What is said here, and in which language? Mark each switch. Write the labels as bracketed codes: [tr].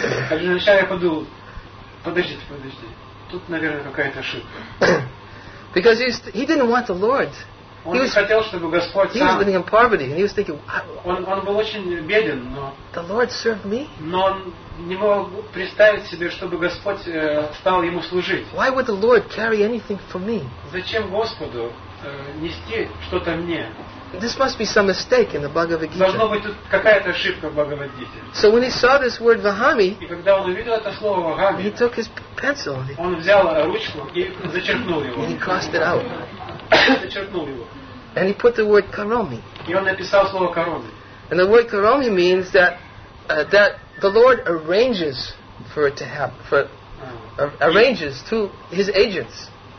[ru] Arjunacharya подумал, подожди, тут наверное какая-то ошибка. [en] Because he didn't want the Lord. [ru] Он не хотел, чтобы Господь сам. [en] He was living in poverty, and he was thinking. [ru] Он был очень беден, но. [en] The Lord served me. [ru] Но он не мог представить себе, чтобы Господь стал ему служить. [en] Why would the Lord carry anything for me? [ru] Зачем Господу нести что-то мне? [en] This must be some mistake in the Bhagavad Gita. [ru] Должно быть тут какая-то ошибка в Бхагавад Гите. [en] So when he saw this word Vahami, [ru] и когда он увидел это слово Вахами, [en] he took his pencil. [ru] Он взял ручку и зачеркнул его. [en] And he crossed it out. [ru] Зачеркнул его. [en] And he put the word Karomi. [ru] И он написал слово Karomi. [en] And the word Karomi means that that the Lord arranges for it to happen, for arranges to his agents.